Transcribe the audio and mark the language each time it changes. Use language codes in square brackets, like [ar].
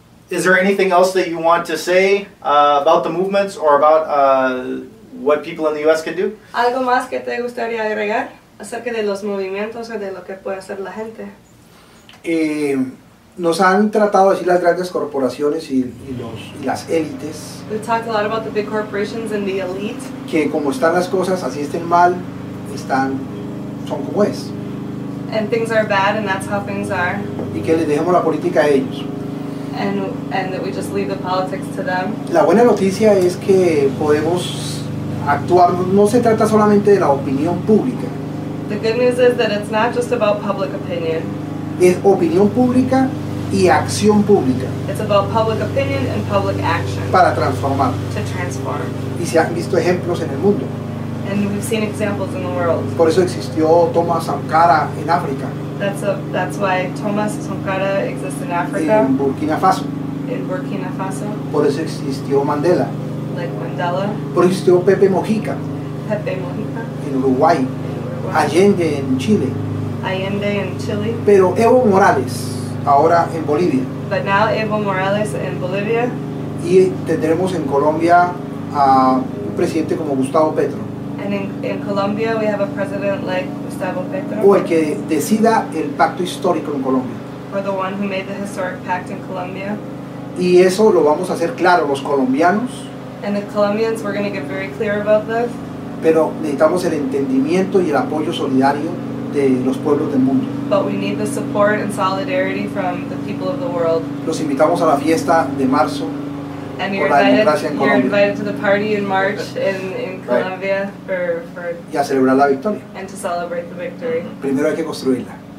[en] Is there anything else that you want to say about the movements or about what people in the U.S. can do? [es] ¿Algo más que te gustaría agregar acerca de los movimientos o de lo que puede hacer la gente? Nos han tratado de decir las grandes corporaciones y las élites. [en] We talked a lot about the big corporations and the elite. [es] Que como están las cosas, así estén mal, son como es. [en] And things are bad and that's how things are. [es] y que les dejemos la política a ellos. [en] And that we just leave the politics to them. [es] La buena noticia es que podemos actuar. No se trata solamente de la opinión pública. [en] The good news is that it's not just about public opinion. [es] Es opinión pública y acción pública. [en] It's about public opinion and public action. [es] Para transformar. [en] To transform. [es] Y se han visto ejemplos en el mundo. [en] And we've seen examples in the world. [es] Por eso existió Thomas Sankara en África. [en] That's why Thomas Sankara exists in Africa. [es] En Burkina Faso. [en] In Burkina Faso. [es] Por eso existió Mandela. [en] Like Mandela. [es] Por eso existió Pepe Mojica. [en] Pepe Mojica. [es] En Uruguay. [en] In Uruguay. [es] Allende en Chile. [en] Allende in Chile. [es] Pero Evo Morales, ahora en Bolivia. [en] But now Evo Morales in Bolivia. [es] Y tendremos en Colombia a un presidente como Gustavo Petro. [en] And in Colombia, we have a president like Gustavo Petro. [es] O el que decida el pacto histórico en Colombia. [en] Or the one who made the historic pact in Colombia. [es] Y eso lo vamos a hacer claro, los colombianos. [en] And the Colombians, we're going to get very clear about this. [es] Pero necesitamos el entendimiento y el apoyo solidario de los pueblos del mundo. [en] But we need the support and solidarity from the people of the world. [es] Los invitamos a la fiesta de marzo. [en] And you're invited to the party in March in Colombia for [es] y a celebrar la victoria. [en] And to celebrate the victory. Mm-hmm. [es] Primero hay que construirla.